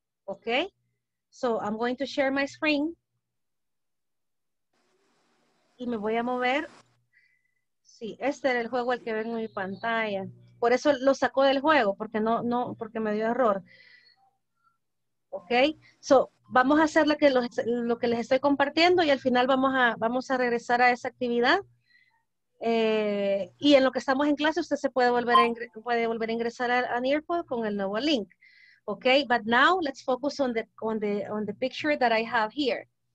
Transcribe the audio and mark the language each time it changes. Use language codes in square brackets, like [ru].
[en] Okay, so I'm going to share my screen. [es] Y me voy a mover. Sí, este era el juego al que vengo en mi pantalla. por eso lo sacó del juego, porque porque me dio error. Okay, so vamos a hacer lo que les estoy compartiendo y al final vamos a regresar a esa actividad. Y en lo que estamos en clase, usted se puede volver a ingresar a Nearpod con el nuevo link. [en] Okay, but now let's focus on the picture that I have here.